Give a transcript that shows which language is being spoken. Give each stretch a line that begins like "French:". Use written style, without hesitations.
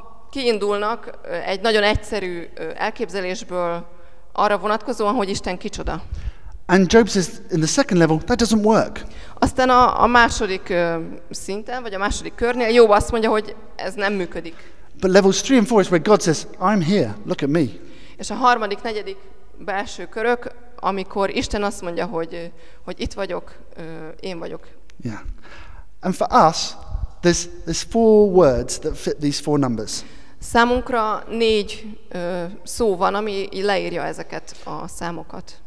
Hungarian: Kiindulnak egy nagyon egyszerű elképzelésből arra vonatkozóan, hogy Isten kicsoda.
English: And Job says in the second level that doesn't work.
Hungarian: Aztán a második szinten vagy a második körnél jó azt mondja, hogy ez nem működik.
English: But levels 3 and 4 is where God says, I'm here, look at me.
Hungarian: És a harmadik, negyedik belső körök, amikor Isten azt mondja, hogy itt vagyok, én vagyok.
English: Yeah. And for us, there's four words that fit these four numbers.
Hungarian: Számunkra négy szó van, ami leírja ezeket a számokat.